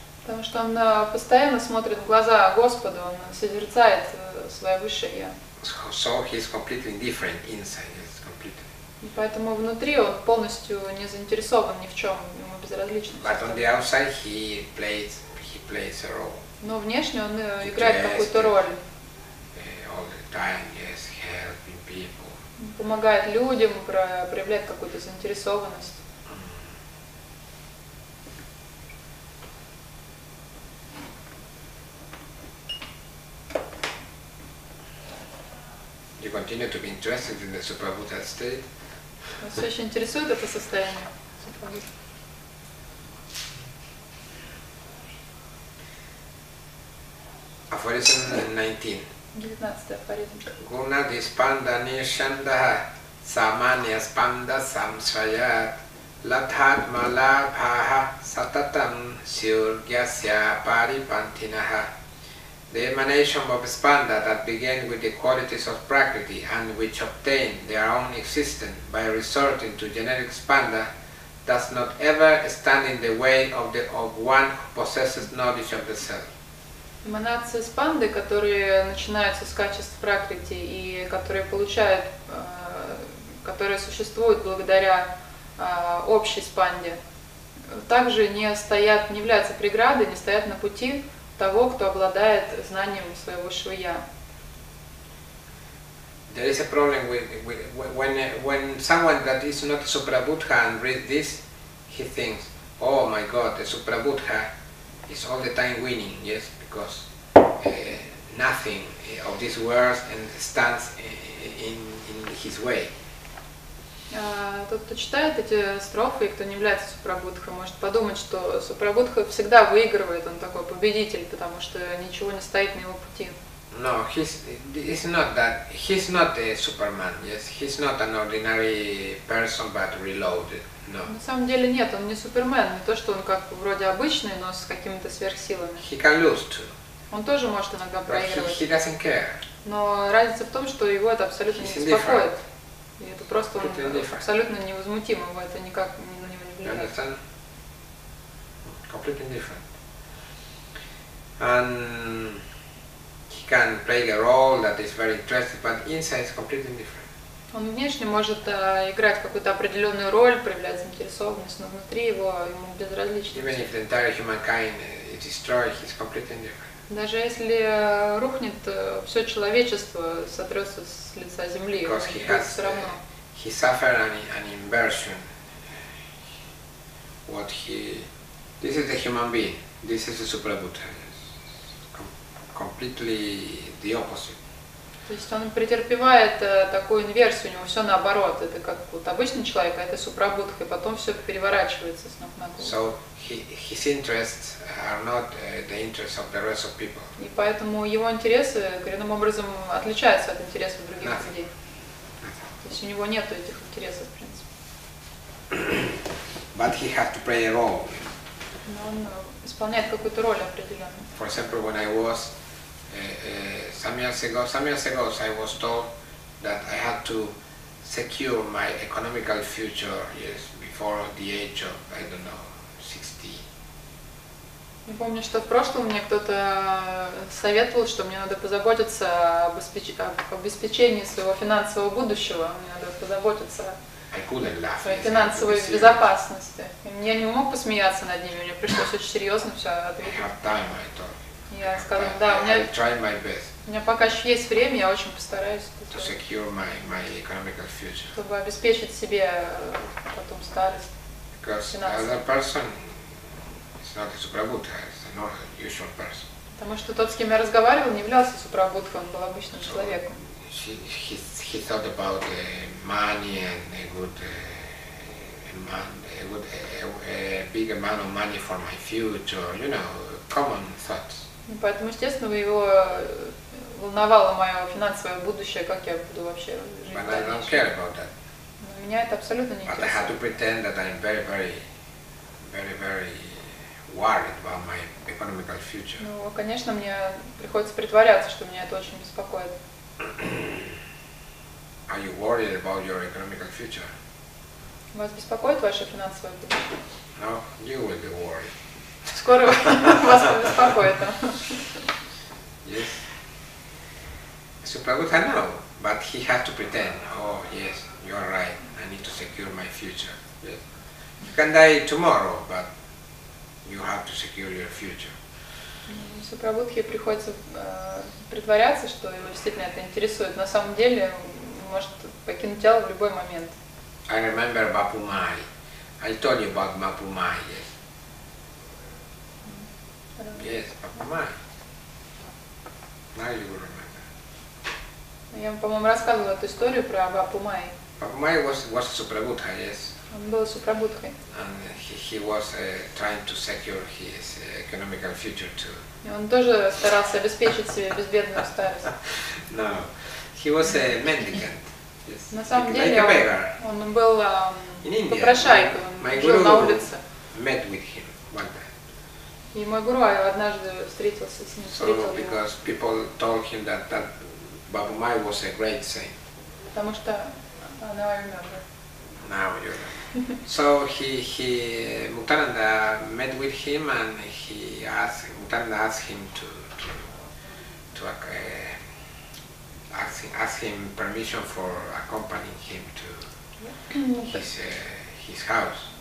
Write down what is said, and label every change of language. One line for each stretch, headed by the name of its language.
Russian: Потому что он постоянно смотрит в глаза Господу, он созерцает свое высшее я.
English: So he is completely different inside, yes, completely.
Russian: И поэтому внутри он полностью не заинтересован ни в чем, ему безразлично.
English: But on the outside he plays a role.
Russian: Но внешне он играет какую-то роль.
English: Time, yes, helping people.
Russian: Помогает людям, проявляет какую-то заинтересованность. Mm-hmm.
English: You continue to be interested in the Suprabuddha state?
Russian: Вас очень интересует это состояние?
English: Aphorism 19. 19.
Sanskrit: Guna dispanda nishandaha samanya spanda samsrayat latatma labhaha satatam syurgyasya paripantinaha.
English: The emanation of spanda that began with the qualities of prakriti and which obtained their own existence by resorting to generic spanda does not ever stand in the way of the of one who possesses knowledge of the self.
Russian: Эманации спанды, которые начинаются с качеств пракрити и которые получают, которые существуют благодаря общей спанде, также не являются преградой на пути того, кто обладает знанием своего высшего я.
English: There is a problem with when someone that is not Suprabuddha and reads this, he thinks, oh my god, the Suprabuddha is all the time winning, yes, because nothing of this world stands in his way.
Russian: Тот, кто читает эти строфы и кто не является Супрабудхой, может подумать, что Супрабудха всегда выигрывает, он такой победитель, потому что ничего не стоит на его пути.
English: No, he's not that. He's not a Superman. Yes, he's not an ordinary person, but reloaded. No.
Russian: На самом деле нет, он не Супермен, не то, что он как вроде обычный, но с какими-то сверхсилами.
English: He can lose too.
Russian: Он тоже может иногда проигрывать.
English: But he doesn't care.
Russian: Но разница в том, что его это абсолютно
English: he's
Russian: не беспокоит.
English: Different.
Russian: И это просто он абсолютно невозмутим, его это никак на него не влияет.
English: Completely different. And he can play a role that is very interesting, but inside is completely different.
Russian: Он внешне может играть какую-то определенную роль, проявлять заинтересованность, но внутри его ему безразлично.
English: Even if the entire humankind is destroyed, he's completely different.
Russian: Даже если рухнет все человечество, сотрется с лица земли,
English: because
Russian: он будет все равно.
English: He suffered an inversion. What he? This is the human being. This is the Suprabuddha. Completely the opposite.
Russian: То есть он претерпевает такую инверсию, у него все наоборот. Это как вот обычный человек, а это Супрабудха, и потом все переворачивается с ног на голову.
English: So his interests are not the interests of the rest of people.
Russian: И поэтому его интересы коренным образом отличаются от интересов других
English: Nothing.
Russian: Людей. То есть у него нет этих интересов, в принципе.
English: But he has to play a role.
Russian: Но он исполняет какую-то роль определенную.
English: For example, when I was some years ago, I was told that I had to secure my economical future, yes, before the age of, I don't know, 60.
Russian: Я помню, что в прошлом мне кто-то советовал, что мне надо позаботиться об обеспечении своего финансового будущего. Мне надо позаботиться о финансовой безопасности. Я не мог посмеяться над ними, мне пришлось очень серьезно все ответить. Я сказал, да, у меня пока еще есть время, я очень постараюсь.
English: To secure my economical future.
Russian: Чтобы обеспечить себе потом старость.
English: Because another person is not a Suprabuddha, it's an ordinary usual person.
Russian: Потому что тот, с кем я разговаривал, не являлся Супрабуддхой, он был обычным человеком.
English: He thought about money and a big amount of money for my future, you know, common thoughts.
Russian: Поэтому, естественно, его волновало мое финансовое будущее, как я буду вообще жить.
English: But I don't care about that.
Russian: Но меня это абсолютно не интересует.
English: But I had to pretend that I'm very, very, very, very worried about my economical future.
Russian: Ну, конечно, мне приходится притворяться, что меня это очень беспокоит.
English: Are you worried about your economical future?
Russian: Вас беспокоит ваше финансовое будущее?
English: No, you will be worried.
Russian: Скоро вас побеспокоит.
English: Yes. Suprabuddha know, but he has to pretend. Oh, yes, you are right. I need to secure my future. Yes. You can die tomorrow, but you have to secure your future.
Russian: Suprabuddhе приходится притворяться, что его действительно это интересует. На самом деле, может покинуть тело в любой момент.
English: I remember Bapu Mai. I told you about Bapu Mai. Yes. Yes, Bapu Mai. Now you will remember.
Russian: Я, по-моему, рассказывал эту историю про Бапу Май.
English: Бапу Май was a Suprabuddha, yes.
Russian: Он был Супрабуддхой.
English: And he was trying to secure his economical future too.
Russian: И он тоже старался обеспечить себе безбедную старость.
English: No, he was a mendicant. Yes.
Russian: На самом
English: like
Russian: деле,
English: a beggar.
Russian: Он был попрошайкой, он жил на улице.
English: Met with him one time.
Russian: И мой гуру однажды встретился с ним.
English: So, because people told him that Бапу Май was a great saint.
Russian: Потому что
English: now I remember. Now you remember. So he Muktananda met with him and Muktananda asked him to ask him permission for accompanying him to his house.